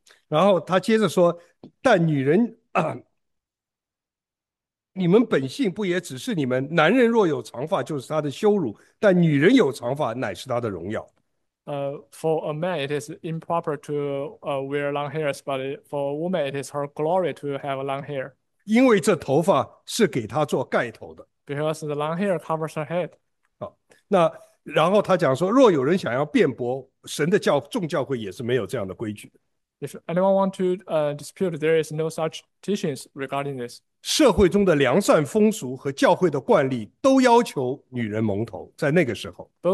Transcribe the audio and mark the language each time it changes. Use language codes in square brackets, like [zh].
[zh] 然后他接着说：“但女人啊，你们本性不也只是你们？男人若有长发，就是他的羞辱；但女人有长发，乃是他的荣耀。 [en] For a man, it is improper to wear long hairs, but for a woman, it is her glory to have long hair. [zh] ”因为这头发是给他做盖头的。 [en] Because the long hair covers her head. [zh] 好，那然后他讲说：“若有人想要辩驳，神的教众教会也是没有这样的规矩的。” [en] If anyone want to dispute, there is no such teachings regarding this. [zh] 社会中的良善风俗和教会的惯例都要求女人蒙头，在那个时候。